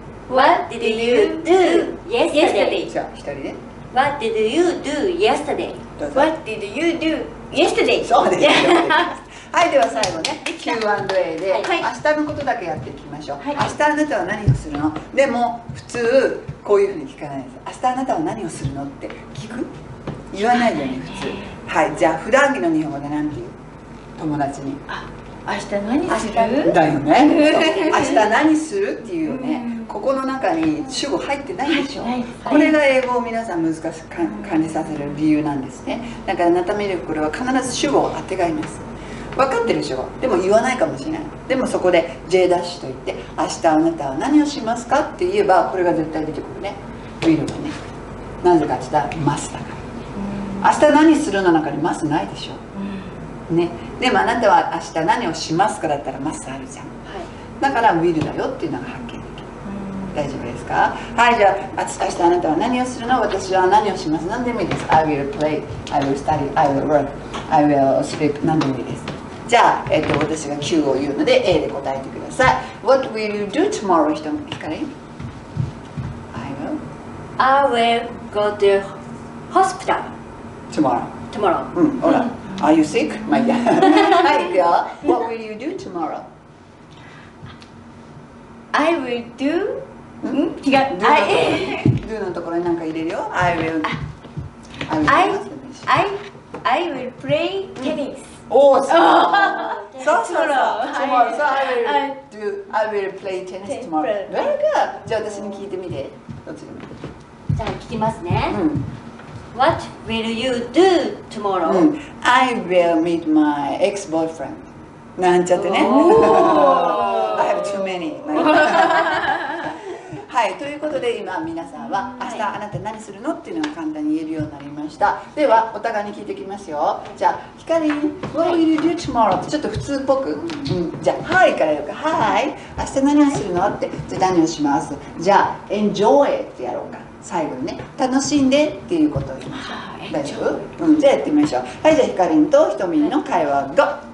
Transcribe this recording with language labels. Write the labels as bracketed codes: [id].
[en] What did you do yesterday? [ja] じゃあ、一人ね。 [en] What did you do yesterday? What did you do yesterday? [ja] そうです。はい、では最後ね、Q&A で、はい、明日のことだけやっていきましょう。はい、明日あなたは何をするの？でも普通こういうふうに聞かないです。明日あなたは何をするのって聞く？言わないよね、普通。はい、じゃあ普段着の日本語で何て言う？友達に。明日何する？だよね。明日何するっていうね、うん、ここの中に主語入ってないでしょ。はい、これが英語を皆さん難しく感じさせる理由なんですね。だからあなた見るこれは必ず主語を当てがいます。分かってるでしょ。でも言わないかもしれない。でもそこで J ダッシュと言って、明日あなたは何をしますかって言えば、これが絶対出てくるね。ウィルがね。なぜかって言ったらマスだから。うん、明日何するの中にマスないでしょ。ね、でもあなたは明日何をしますかだったらマスあるじゃん。はい、だからウィルだよっていうのが発見できる。大丈夫ですか。はい、じゃあ明日あなたは何をするの。私は何をします。何でもいいです。 [en] I will play, I will study, I will work, I will sleep. [ja] 何でもいいです。じゃあ、私が Q を言うので A で答えてください。 [en] What will you do tomorrow? [ja] 人も聞かれ。 [en] I will go to hospital tomorrow、うん、ほら、うん、Are you sick? [ja] まあいいや。はい、行くよ。 [en] What will you do tomorrow? I will do? ん [ja] 違う、 do のところ、do のところに何か入れるよ。 [en] I will I will play tennis、 [ja] うん、おー、そうそうそう、 [en] tomorrow、 so I will do, I will play tennis tomorrow. Very good. [ja] じゃあ私に聞いてみて、どっちでも。じゃあ聞きますね、うん、 [en] What will you do tomorrow?、 [ja] うん、 [en] I will meet my ex-boyfriend [ja] なんちゃってね。 [en] I have too many. [ja] はい、ということで今皆さんは明日あなた何するのっていうのを簡単に言えるようになりました。ではお互いに聞いてきますよ。 [en] じゃあひかりん、What will you do tomorrow? [ja] ちょっと普通っぽく。うん、じゃあ Hi から言うか。Hi、明日何をするのって。じゃあ何をします。じゃあ Enjoy ってやろうか。最後にね、楽しんでっていうことを言いましょう。大丈夫？うん、じゃあやってみましょう。はい、じゃあひかりんとひとみんの会話 Go。